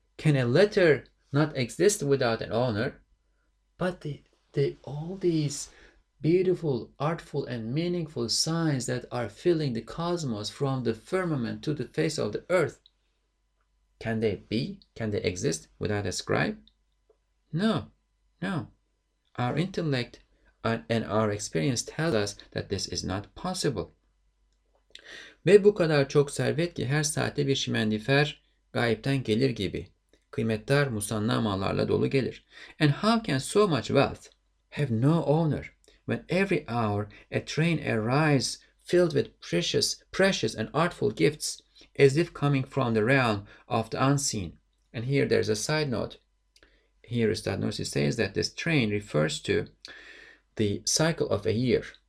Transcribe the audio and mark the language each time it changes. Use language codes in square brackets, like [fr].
[en] Can a letter not exist without an owner? But all these beautiful, artful, and meaningful signs that are filling the cosmos from the firmament to the face of the earth, can they be? Can they exist without a scribe? No. Our intellect and our experience tell us that this is not possible. [tr] Ve bu kadar çok servet ki her saatte bir şimendifer gayipten gelir gibi. Kıymetdar musanna mallarla dolu gelir. [en] And how can so much wealth have no owner when every hour a train arrives filled with precious and artful gifts as if coming from the realm of the unseen? And here there's a side note. Here Üstad Nursi says that this train refers to the cycle of a year.